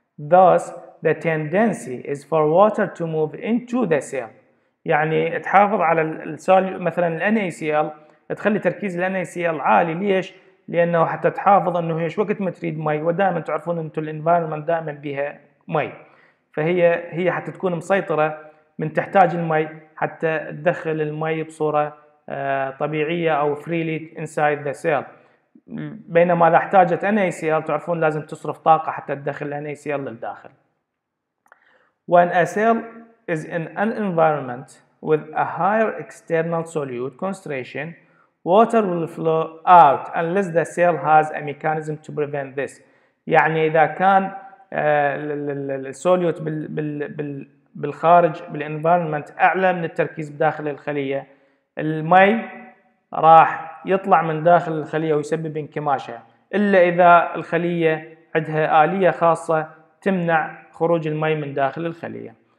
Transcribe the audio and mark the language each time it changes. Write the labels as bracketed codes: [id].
[en] Thus the tendency is for water to move into the cell. [ar] يعني تحافظ على السوليوت، مثلا ال NaCl تخلي تركيز ال NaCl عالي. ليش؟ لانه حتى تحافظ انه هيش وقت ما تريد مي، ودائما تعرفون انتم الانفايرمنت دائما بها مي، فهي حتى تكون مسيطره من تحتاج المي حتى تدخل المي بصوره طبيعيه او [en] freely inside the cell. [ar] بينما اذا احتاجت NaCl تعرفون لازم تصرف طاقه حتى تدخل NaCl للداخل. [en] When a cell is in an environment with a higher external solute concentration, water will flow out unless the cell has a mechanism to prevent this. [ar] يعني اذا كان السوليوت بالخارج بالانفايرمنت اعلى من التركيز بداخل الخليه، المي راح يطلع من داخل الخليه ويسبب انكماشه، الا اذا الخليه عندها اليه خاصه تمنع خروج المي من داخل الخليه.